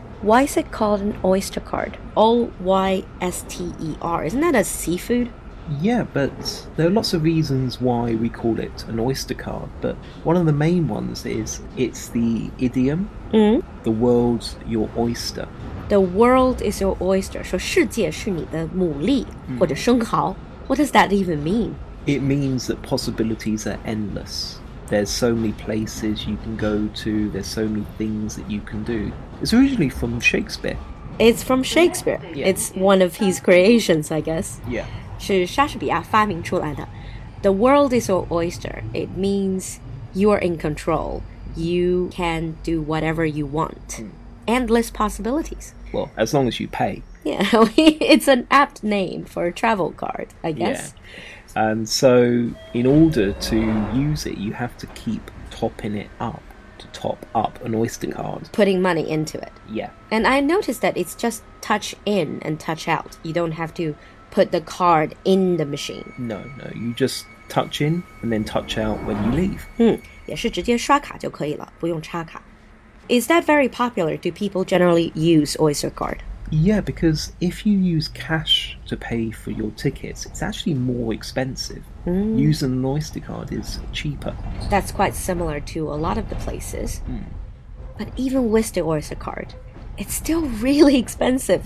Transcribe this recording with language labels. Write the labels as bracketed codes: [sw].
[en] Why is it called an oyster card? O-Y-S-T-E-R. Isn't that a seafood? Yeah, but there are lots of reasons why we call it an oyster card. But one of the main ones is it's the idiom, the world's your oyster. The world is your oyster. [zh] 说世界是你的牡蛎或者生蚝。 [en] What does that even mean? It means that possibilities are endless. There's so many places you can go to. There's so many things that you can do. It's originally from Shakespeare. It's from Shakespeare. Yeah. It's one of his creations, I guess. Yeah. [zh] 是莎士比亚发明出来的。 [en] The world is your oyster. It means you're in control. You can do whatever you want. Endless possibilities. Well, as long as you pay. Yeah, it's an apt name for a travel card, I guess. Yeah. And so in order to use it, you have to keep topping it up. To top up an oyster card. Putting money into it. Yeah. And I noticed that it's just touch in and touch out. You don't have to put the card in the machine. No, no, you just touch in and then touch out when you leave. [zh] 也是直接刷卡就可以了，不用插卡。 [en] Is that very popular? Do people generally use Oyster card? Yeah, because if you use cash to pay for your tickets, it's actually more expensive. Using an Oyster card is cheaper. That's quite similar to a lot of the places. But even with the Oyster card, it's still really expensive.